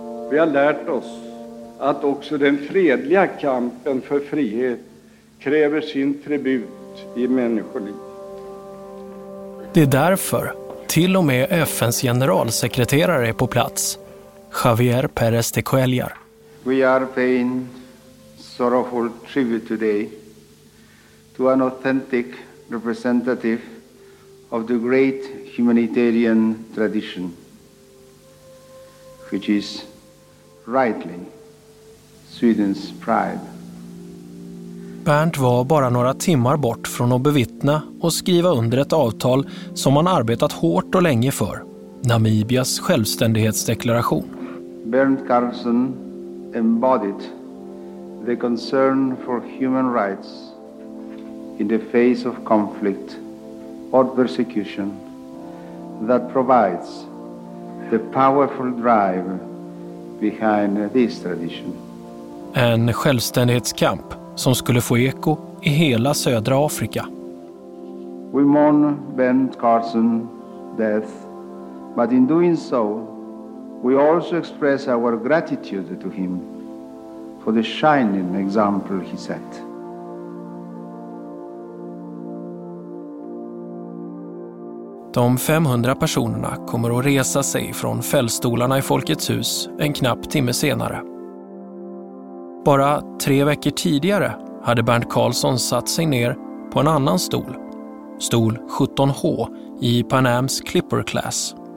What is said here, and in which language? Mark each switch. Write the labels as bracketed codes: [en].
[sv] Vi har lärt oss att också den fredliga kampen för frihet kräver sin tribut i människoliv. Det är därför till och med FNs generalsekreterare är på plats. Javier Pérez de Cuellar. [en] We are paying sorrowful tribute today to an authentic representative of the great humanitarian tradition, which is rightly Sweden's pride. [sv] Bernt var bara några timmar bort från att bevittna och skriva under ett avtal som han arbetat hårt och länge för, Namibias självständighetsdeklaration. [en] Bernt Carlsson embodied the concern for human rights in the face of conflict or persecution that provides the powerful drive behind this tradition. [sv] En självständighetskamp som skulle få eko i hela södra Afrika. [en] We mourn Bernt Carlsson's death, but in doing so, we also express our gratitude to him for the shining example he set. [sv] De 500 personerna kommer att resa sig från fällstolarna i Folkets hus en knapp timme senare. Bara 3 veckor tidigare hade Bernt Carlsson satt sig ner på en annan stol, stol 17H i Panams Clipper Class.